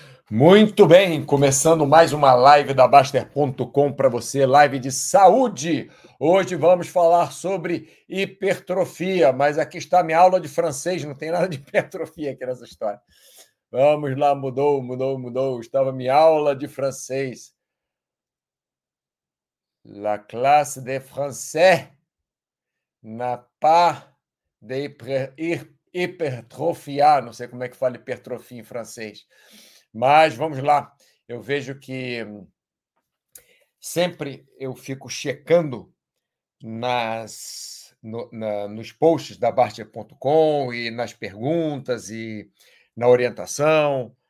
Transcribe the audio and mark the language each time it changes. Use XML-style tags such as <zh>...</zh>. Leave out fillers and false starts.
<pt>Muito bem, começando mais uma live da Baster.com para você, live de saúde. Hoje vamos falar sobre hipertrofia, mas aqui está minha aula de francês, não tem nada de hipertrofia aqui nessa história. Vamos lá, mudou. Estava minha aula de francês.</pt> <fr>La classe de français n'a pas de hypertrophia.</fr> <pt>Não sei como é que fala hipertrofia em francês. Mas vamos lá. Eu vejo que sempre eu fico checando nos posts da Baster.com e nas perguntas e na orientação.</pt>